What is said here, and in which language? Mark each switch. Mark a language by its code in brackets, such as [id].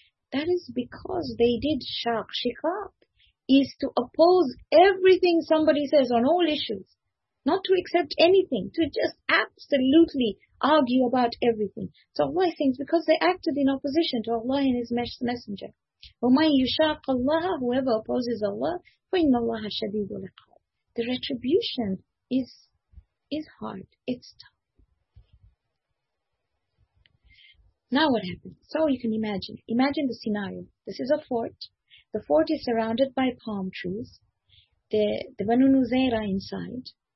[en] That is because they did shaq. Shikak is to oppose everything somebody says on all issues. Not to accept anything. To just absolutely argue about everything. So Allah thinks because they acted in opposition to Allah and His Messenger. [ar] وَمَنْ يُشَاقَ اللَّهَ. [en] Whoever opposes Allah, [ar] فَإِنَّ اللَّهَ شَدِيدُ الْعِقَابِ. [en] The retribution is hard. It's tough. Now what happens? So you can imagine. Imagine the scenario. This is a fort. The fort is surrounded by palm trees. The Banu Nuzair inside.